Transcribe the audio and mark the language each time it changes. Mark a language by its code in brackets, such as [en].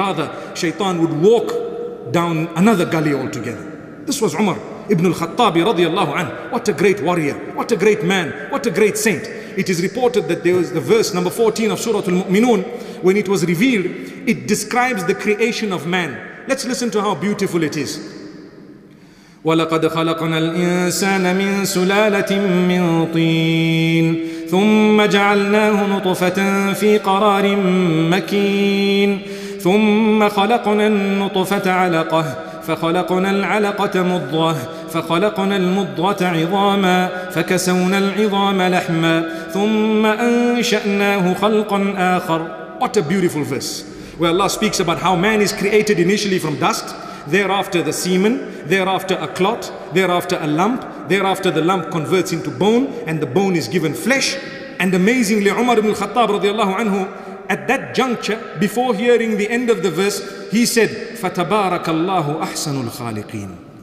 [en] Rather, shaitan would walk down another gully altogether. This was Umar ibn al-Khattab radiallahu anhu. What a great warrior, what a great man, what a great saint. It is reported that there is the verse number 14 of Surah Al-Mu'minun, when it was revealed, it describes the creation of man. Let's listen to how beautiful it is. [ar] وَلَقَدْ خَلَقْنَا الْإِنسَانَ مِنْ سُلَالَةٍ مِنْ طِينٍ ثُمَّ جَعَلْنَاهُ نُطْفَةً فِي قَرَارٍ مَكِينٍ ثُمَّ خَلَقْنَا النُّطْفَةَ عَلَقَةً فخلقنا العلقة مضغة فخلقنا المضغة عظاما فكسونا العظام لحما ثم أنشأناه خلقا آخر. [en] What a beautiful verse where Allah speaks about how man is created initially from dust, thereafter the semen, thereafter a clot, thereafter a lump, thereafter the lump converts into bone and the bone is given flesh. And amazingly, Umar ibn al-Khattab radiallahu anhu, at that juncture, before hearing the end of the verse, he said, [ar] فَتَبَارَكَ اللَّهُ أَحْسَنُ الْخَالِقِينَ.